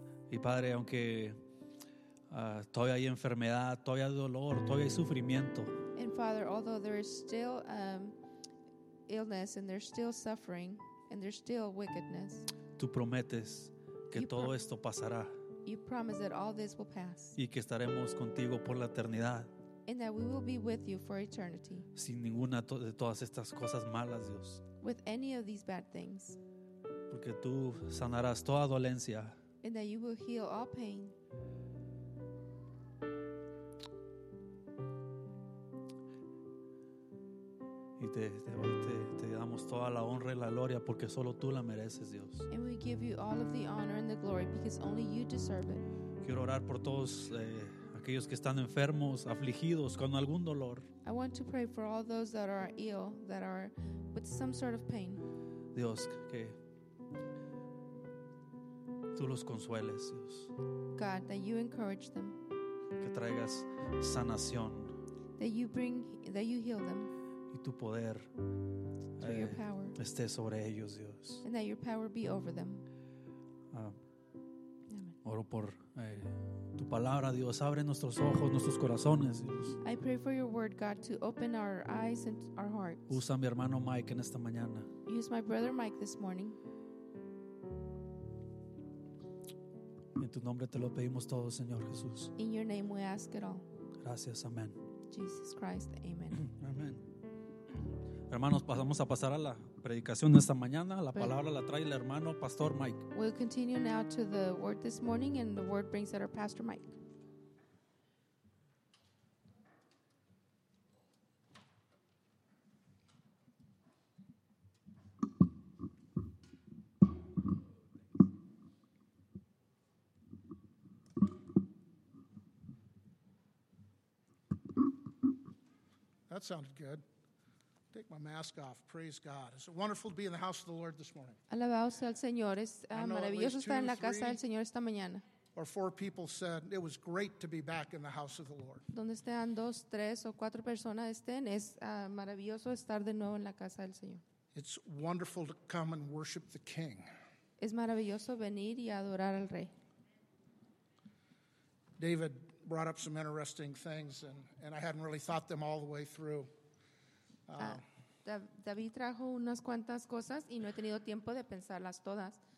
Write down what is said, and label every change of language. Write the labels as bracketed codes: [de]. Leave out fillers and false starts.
[es] Y Padre, aunque todavía hay enfermedad, todavía hay dolor, todavía hay sufrimiento. [en] And Father, although there is still illness and there's still suffering and there's still wickedness. [es] Tú prometes que todo esto pasará. [en] You promise that all this will pass. [es] Y que estaremos contigo por la eternidad. [en] And that we will be with you for eternity. [es] Sin ninguna de todas estas cosas malas, Dios. [en] With any of these bad things. [es] Porque tú sanarás toda dolencia. [en] And that you will heal all pain. [es] Y te damos toda la honra y la gloria porque solo tú la mereces, Dios. [en] And we give you all of the honor and the glory because only you deserve it. [es] Quiero orar por todos aquellos que están enfermos, afligidos, con algún dolor. [en] I want to pray for all those that are ill, that are with some sort of pain. [es] Dios, que tú los consueles, Dios. [en] God, that you encourage them. [es] Que traigas sanación. [en] That you heal them. [es] Y tu poder [en] your power. [es] Esté sobre ellos, Dios. [en] And that your power be over them. [es] Oro por tu palabra, Dios. Abre nuestros ojos, nuestros corazones, Dios. [en] I pray for your word, God, to open our eyes and our hearts. [es] Usa a mi hermano Mike en esta mañana. [en] Use my brother Mike this morning. [es] En tu nombre te lo pedimos todo, Señor Jesús. [en] In your name we ask it all. [es] Gracias, amén. [en] Jesus Christ, amen. [es] Amén. Hermanos, pasamos a pasar a la predicación de esta mañana. La palabra la trae el hermano Pastor Mike. [en] We'll continue now to the word this morning, and the word brings out our Pastor Mike. That sounded good. Take my mask off. Praise God. Is it wonderful to be in the house of the Lord this morning? [es] Alabado sea el Señor. Es maravilloso estar en la casa del Señor esta mañana. [en] Or four people said it was great to be back in the house of the Lord. [es] Donde estén dos, tres o cuatro personas estén, es maravilloso estar de nuevo en la casa del Señor. [en] It's wonderful to come and worship the King. [es] Es maravilloso venir y adorar al Rey. [en] David brought up some interesting things, and I hadn't really thought them all the way through. [es] David trajo unas cuantas cosas y no he tenido tiempo de pensarlas todas.